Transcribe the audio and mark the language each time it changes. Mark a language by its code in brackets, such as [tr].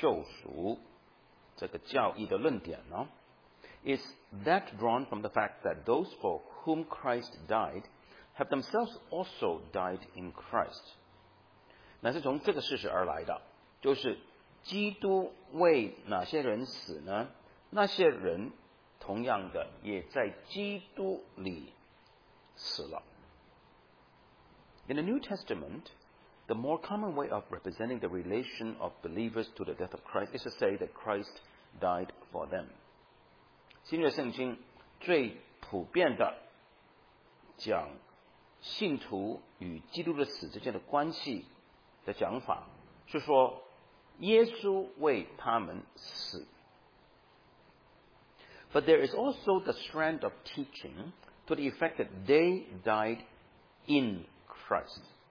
[zh] 第二个,从圣经我们可以提出支持有限的救赎这个教义的论点呢, [en] is that drawn from the fact that those for whom Christ died have themselves also died in Christ. [zh] 乃是从这个事实而来的,就是基督为哪些人死呢? 那些人同样的也在基督里死了。 [en] In the New Testament, the more common way of representing the relation of believers to the death of Christ is to say that Christ died for them. [zh] 新约圣经最普遍的讲信徒与基督的死之间的关系的讲法是说耶稣为他们死。 [en] But there is also the strand of teaching to the effect that they died in Christ.